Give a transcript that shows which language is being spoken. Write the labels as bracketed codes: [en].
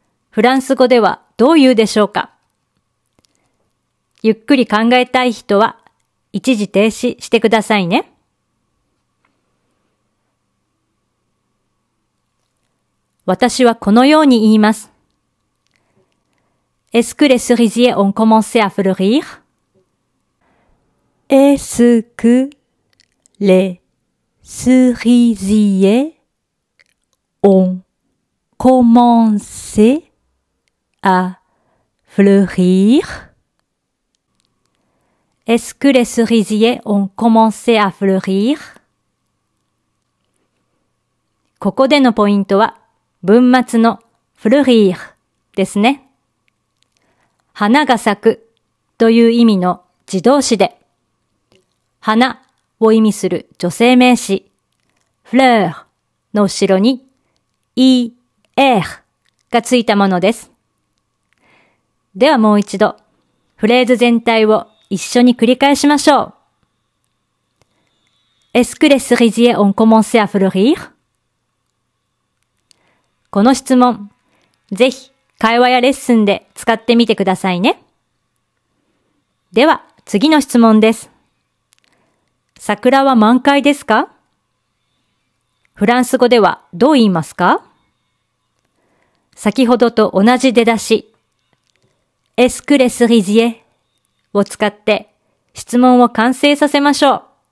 [ja] フランス語ではどう言うでしょうか。ゆっくり考えたい人は、一時停止してくださいね。私はこのように言います。 [fr] Est-ce que les cerisiers ont commencé à fleurir? Est-ce que les cerisiers ont commencé à fleurir? Est-ce que les cerisiers ont commencé à fleurir? [ja] ここでのポイントは文末の fleurir ですね。花が咲くという意味の自動詞で、花を意味する女性名詞、fleur の後ろに er がついたものです。ではもう一度、フレーズ全体を一緒に繰り返しましょう。 [fr] Est-ce que les cerisiers ont commencé à fleurir? [ja] この質問、ぜひ、会話やレッスンで使ってみてくださいね。では、次の質問です。桜は満開ですか？フランス語ではどう言いますか？先ほどと同じ出だし、 [fr] Est-ce que les cerisiers [ja] を使って質問を完成させましょう。